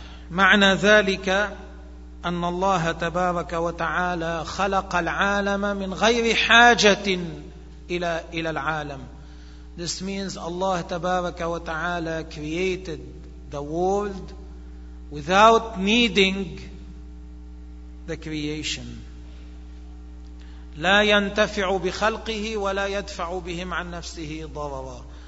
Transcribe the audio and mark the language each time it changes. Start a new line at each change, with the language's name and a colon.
Arabic: معنى ذلك أن الله تبارك وتعالى خلق العالم من غير حاجة إلى العالم.
English: This means Allah
Arabic: تبارك وتعالى
English: created the world without needing the creation.
Arabic: لا ينتفع بخلقه ولا يدفع بهم عن نفسه ضررا.